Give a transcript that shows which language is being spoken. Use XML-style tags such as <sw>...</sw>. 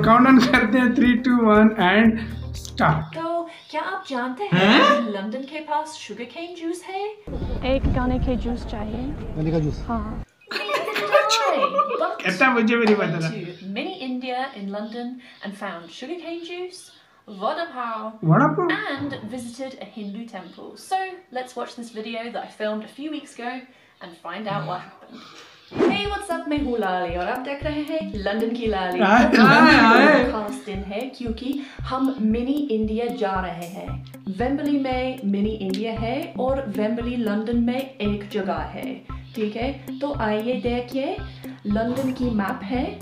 <hi>Count on करते हैं, 3, 2, 1 and start. तो क्या आप जानते हैं लंदन के पास शुगर केन जूस है? एक गाने के जूस चाहिए, गाने का जूस। कहता मुझे भी नहीं पता था।</hi> <en>Mini India in London and found sugar cane juice, Vodapur, and visited a Hindu temple. So let's watch this video that I filmed a few weeks ago and find out what happened. Hey, what's up?</en> <hi>मैं हूँ लाली और आप देख रहे हैं London की लाली। खास दिन है क्योंकि हम मिनी इंडिया जा रहे हैं। वेम्बली में मिनी इंडिया है और वेम्बली लंदन में एक जगह है, ठीक है? तो आइए देखिए लंदन की मैप है।</hi>